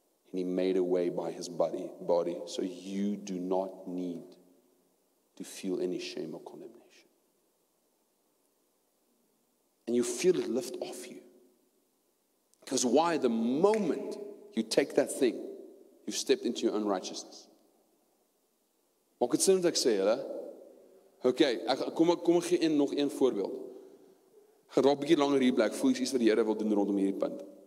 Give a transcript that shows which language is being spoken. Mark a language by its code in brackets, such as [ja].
[en] And he made a way by his body. So you do not need to feel any shame or condemnation. And you feel it lift off you. Because why? The moment you take that thing, you've stepped into your own righteousness. [af] Maak het sin wat ek sê, hè? Okay, kom ek gee nog een voorbeeld. Gaan raak 'n bietjie langer hier bly. Ek voel iets wat die Here wil doen rondom hierdie punt.